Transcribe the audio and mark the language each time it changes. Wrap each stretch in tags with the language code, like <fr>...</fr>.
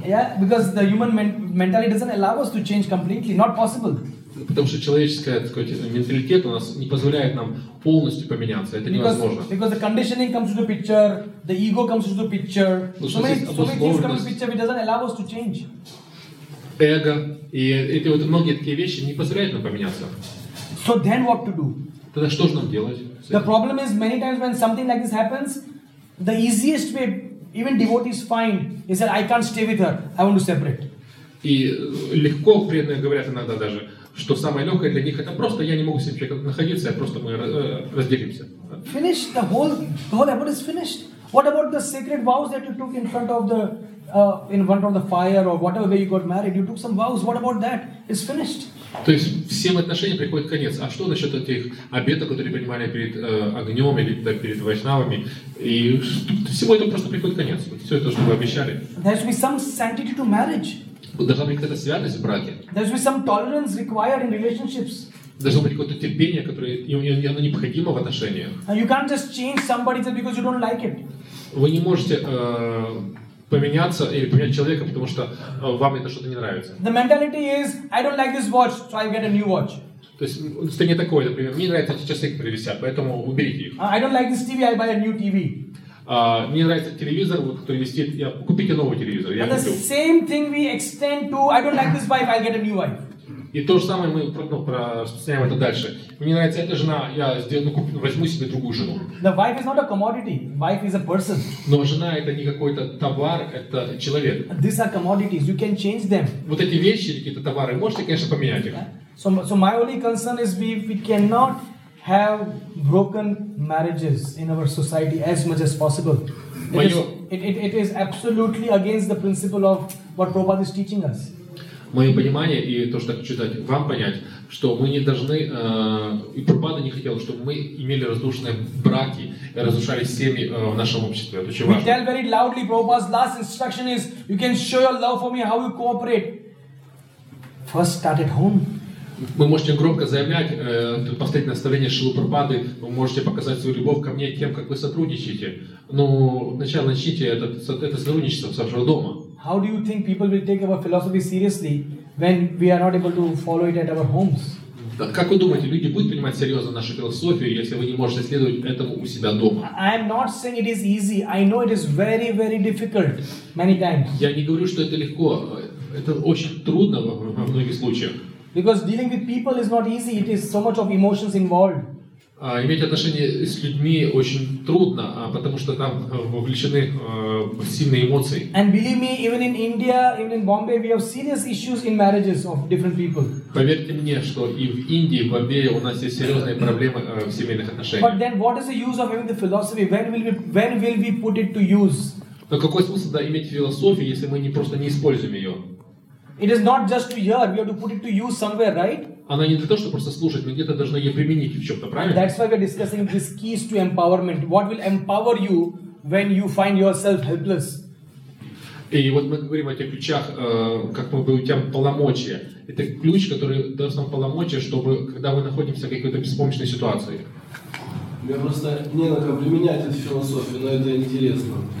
<en>Yeah, because the human mentality doesn't allow us to change completely. Not possible.</en> <ru>Потому что человеческая, так сказать, менталитет у нас не позволяет нам полностью поменяться. Это невозможно.</ru> <en>Because the conditioning comes into picture, the ego comes into picture. So many things come into picture, which doesn't allow us to change.</en> <ru>Эго и эти вот многие такие вещи не позволяют нам поменяться.</ru> <en>So then what to do?</en> <ru>Тогда что же нам делать?</ru> <en>The problem is many times when something like this happens, the easiest way, even devotees find, is that I can't stay with her. I want to separate.</en> <ru>И легко преданные говорят иногда даже, что самое легкое для них это просто я не могу с этим человеком находиться, я просто мы разделимся.</ru> <en>Finish the whole effort is finished. What about the sacred vows that you took in front of the in front of the fire or whatever way you got married, you took some vows. What about that? It's finished.</en> <ru>То есть всем отношениям приходит конец. А что насчет этих обетов, которые принимали перед огнем или да, перед вайшнавами? И всему этому просто приходит конец. Все это, что вы обещали.</ru> <en>There should be some sanctity to marriage.</en> <ru>Должна быть какая-то святость в браке.</ru> <en>There should be some tolerance required in relationships.</en> <ru>Должно быть какое-то терпение, которое оно необходимо в отношениях.</ru> <en>And you can't just change somebody just because you don't like it.</en> <ru>Вы не можете поменяться или поменять человека, потому что вам это что-то не нравится.</ru> <en>The mentality is, I don't like this watch, so I get a new watch.</en> <ru>То есть это не такое, например, мне нравятся эти часы, которые висят, поэтому уберите их.</ru> <en>I don't like this TV, I buy a new TV.</en> <ru>Мне нравится телевизор, вот, который висит, я купите новый телевизор.</ru> <en>The same thing we extend to, I don't like this wife, I get a new wife.</en> <ru>И то же самое мы распространяем это дальше. Мне нравится эта жена, я возьму себе другую жену.</ru> <en>The wife is not a commodity. Wife is a person.</en> <ru>Но жена это не какой-то товар, это человек.</ru> <en>These are commodities. You can change them.</en> <ru>Вот эти вещи, какие-то товары, можете, конечно, поменять их.</ru> <en>So my only concern is we cannot have broken marriages in our society as much as possible. It is absolutely against the principle of what Prabhupada is teaching us.</en> <ru>Мое понимание и то, что я хочу дать вам понять, что мы не должны, и Прабхупада не хотел, чтобы мы имели разрушенные браки, разрушали семьи в нашем обществе. Это очень важно.</ru> <en>We tell very loudly, Prabhupada's last instruction is, you can show your love for me, how you cooperate. First start at home.</en> <ru>Вы можете громко заявлять, последнее наставление Шрилы Прабхупады, вы можете показать свою любовь ко мне тем, как вы сотрудничаете. Но сначала начните это сотрудничество с вашего дома.</ru> <en>How do you think people will take our philosophy seriously when we are not able to follow it at our homes?</en> <ru>Как вы думаете, люди будут принимать серьезно нашу философию, если вы не можете следовать этому у себя дома?</ru> <en>I am not saying it is easy. I know it is very, very difficult many times.</en> <ru>Я не говорю, что это легко. Это очень трудно во многих случаях.</ru> <en>Because dealing with people is not easy. It is so much of emotions involved.</en> <ru>Иметь отношения с людьми очень трудно, потому что там вовлечены сильные эмоции.</ru> <en>And believe me, even in India, even in Bombay, we have serious issues in marriages of different people.</en> <ru>Поверьте мне, что и в Индии, в Бомбее у нас есть серьезные проблемы в семейных отношениях.</ru> <en>But then, what is the use of having the philosophy? When will we put it to use?</en> <ru>Но какой смысл иметь философию, если мы просто не используем ее?</ru> <en>It is not just to hear. We have to put it to use somewhere, right?</en> <ru>Она не для того, чтобы просто слушать, мы где-то должны ее применить в чем-то, правильно?</ru> <en>That's why we're discussing these keys to empowerment. What will empower you when you find yourself helpless?</en> <ru>И вот мы говорим о тех ключах, как мы будем тем полномочия. Это ключ, который даст нам полномочия, чтобы когда мы находимся в какой-то беспомощной ситуации. Мне просто не на кого применять эту философию, но это интересно.</ru>